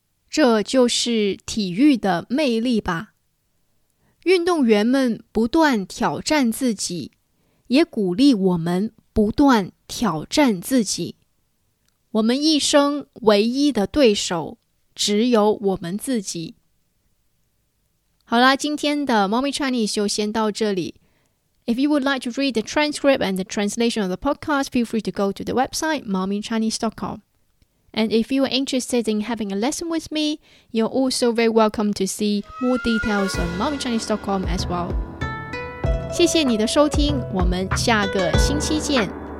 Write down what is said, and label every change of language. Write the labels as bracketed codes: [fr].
[zh] 这就是体育的魅力吧。运动员们不断挑战自己，也鼓励我们不断挑战自己。我们一生唯一的对手，只有我们自己。好啦，今天的 Mommy Chinese 就先到这里。 [en] If you would like to read the transcript and the translation of the podcast, feel free to go to the website mommychinese.com. And if you are interested in having a lesson with me, you're also very welcome to see more details on mommychinese.com as well. [zh] 谢谢你的收听，我们下个星期见。